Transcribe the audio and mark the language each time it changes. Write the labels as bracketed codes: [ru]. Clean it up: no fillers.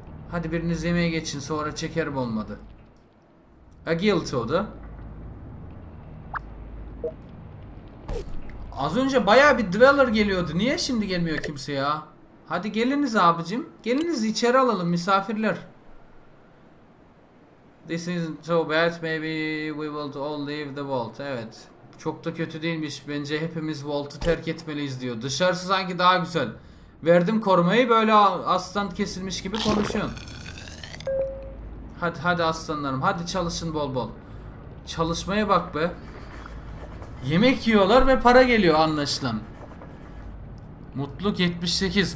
[tr] Hadi biriniz yemeğe geçin, sonra çekerim olmadı. A guilty o da. Az önce baya bir dweller geliyordu. Niye şimdi gelmiyor kimse ya? Hadi geliniz abicim. Geliniz içeri alalım misafirler. [en] This isn't so bad. Maybe we will all leave the vault. [tr] Evet. Çok da kötü değilmiş. Bence hepimiz vault'u terk etmeliyiz diyor. Dışarısı sanki daha güzel. Verdim korumayı, böyle aslan kesilmiş gibi konuşuyorsun. Hadi hadi aslanlarım, hadi çalışın bol bol. Çalışmaya bak be. Yemek yiyorlar ve para geliyor anlaşılan. Mutluluk 78.